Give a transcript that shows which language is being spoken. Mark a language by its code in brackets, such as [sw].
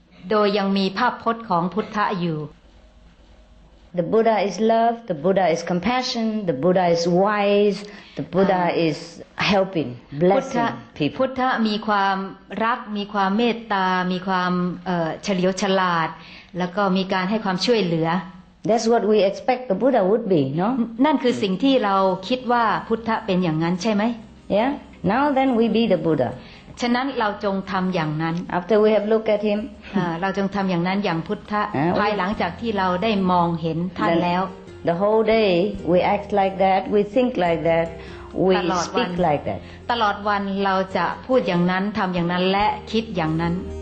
[th] โดยยังมีภาพพจน์ของพุทธะอยู่ [en] the Buddha is love the Buddha is compassion the Buddha is wise the Buddha is helping blessing people [th] พุทธะมีความรักมีความเมตตามีความเฉลียวฉลาดแล้วก็มีการให้ความช่วยเหลือ [en] That's what we expect the Buddha would be, no? [th] นั่นคือสิ่งที่เราคิดว่าพุทธะเป็นอย่างนั้นใช่ไหม [en] Yeah. Now then we be the Buddha. [th] ฉะนั้นเราจงทำอย่างนั้น [en] After we have looked at him. [th] เราจงทำอย่างนั้นอย่างพุทธะภายหลังจากที่เราได้มองเห็นท่านแล้ว [en] The whole day we act like that, we think like that, we speak like that. [th] ตลอดวันเราจะพูดอย่างนั้นทำอย่างนั้นและคิดอย่างนั้น